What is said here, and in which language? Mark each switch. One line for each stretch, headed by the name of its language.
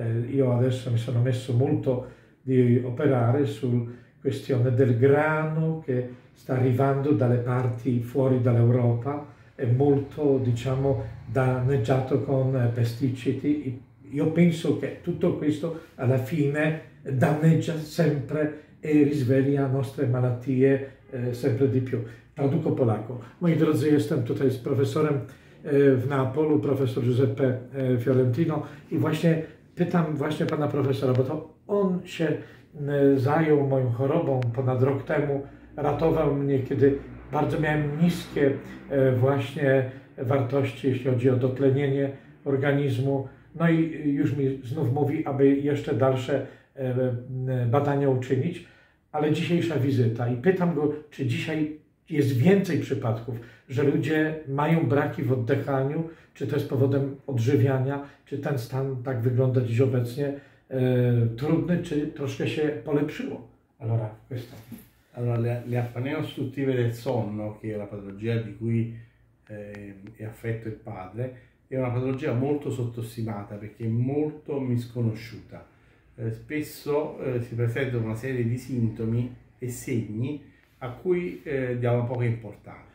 Italian: Io adesso mi sono messo molto di operare sulla questione del grano che sta arrivando dalle parti fuori dall'Europa, è molto, diciamo, danneggiato con pesticidi. Io penso che tutto questo alla fine danneggia sempre e risveglia nostre malattie sempre di più. Traduco polacco.
Polish: Moi drodzy jestem tutaj z professorem w Napolu, professor Giuseppe Fiorentino, i właśnie pytam właśnie pana profesora, bo to on się zajął moją chorobą ponad rok temu, ratował mnie, kiedy bardzo miałem niskie właśnie wartości, jeśli chodzi o dotlenienie organizmu. No i już mi znów mówi, aby jeszcze dalsze badania uczynić, ale dzisiejsza wizyta i pytam go, czy dzisiaj jest więcej przypadków, że ludzie mają braki w oddychaniu, czy to jest powodem odżywiania, czy ten stan tak wygląda dziś obecnie trudny, czy troszkę się polepszyło.
Italian: Allora, questo. Allora, le apnee ostruttive del sonno, che è la patologia di cui è affetto il padre, è una patologia molto sottostimata perché è molto misconosciuta. Spesso si presentano una serie di sintomi e segni a cui diamo poca importanza.